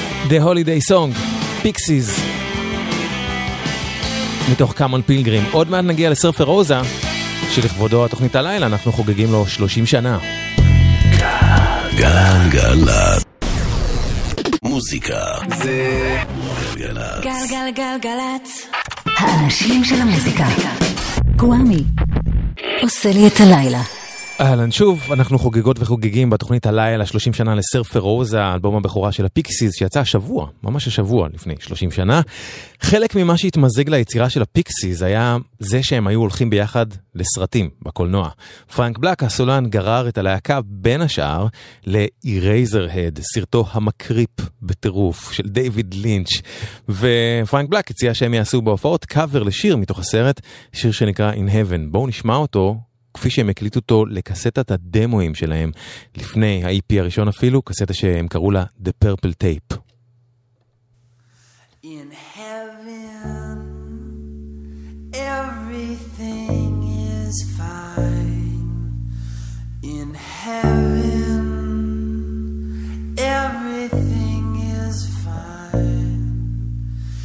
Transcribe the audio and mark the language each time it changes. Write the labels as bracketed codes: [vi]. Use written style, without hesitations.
[he] The Holiday Song, Pixies, מתוך קאמון פילגרים. עוד מעט נגיע לסרפר רוזה, שלכבודו התוכנית הלילה, אנחנו חוגגים לו 30 שנה. גל גל גל מוזיקה זה גל גל גל גל גל האנשים של המוזיקה קוואמי עושה לי את הלילה. אהלן שוב, אנחנו חוגגות וחוגגים בתוכנית הלילה 30 שנה לסרפר רוזה, אלבום הבכורה של הפיקסיז שיצא השבוע, ממש השבוע לפני 30 שנה. חלק ממה שהתמזג ליצירה של הפיקסיז היה זה שהם היו הולכים ביחד לסרטים בקולנוע. פרנק בלק הסולן גרר את הלהקה בין השאר ל-Eraserhead, סרטו המקריפ בטירוף של דיוויד לינץ', ופרנק בלק הציע שהם יעשו בהופעות קאבר לשיר מתוך הסרט, שיר שנקרא In Heaven. בואו נשמע אותו כפי שהם הקליטו אותו לקסטת הדמויים שלהם לפני ה-EP הראשון, אפילו קסטה שהם קראו לה The Purple Tape. [en] In heaven everything is fine. In heaven everything is fine.